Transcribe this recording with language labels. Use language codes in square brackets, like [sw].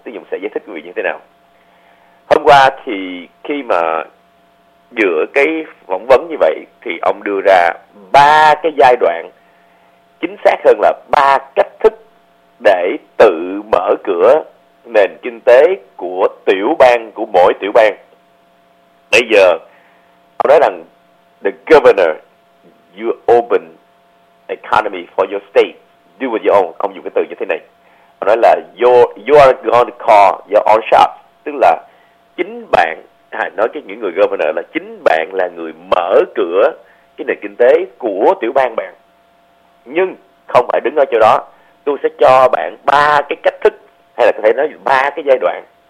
[vi] Tiến Dũng sẽ giải thích quý vị như thế nào. Hôm qua thì khi mà giữa cái phỏng vấn như vậy thì ông đưa ra 3 cái giai đoạn, chính xác hơn là 3 cách thức để tự mở cửa nền kinh tế của tiểu bang, của mỗi tiểu bang. Bây giờ ông nói rằng [en] the governor, you open economy for your state, do with your own. [vi] Ông dùng cái từ như thế này, ông nói là [en] you are going to call your own shop, [vi] tức là chính bạn, nói cho những người governor là chính bạn là người mở cửa cái nền kinh tế của tiểu bang bạn. Nhưng không phải đứng ở chỗ đó, tôi sẽ cho bạn 3 cái cách thức, hay là có thể nói 3 cái giai đoạn.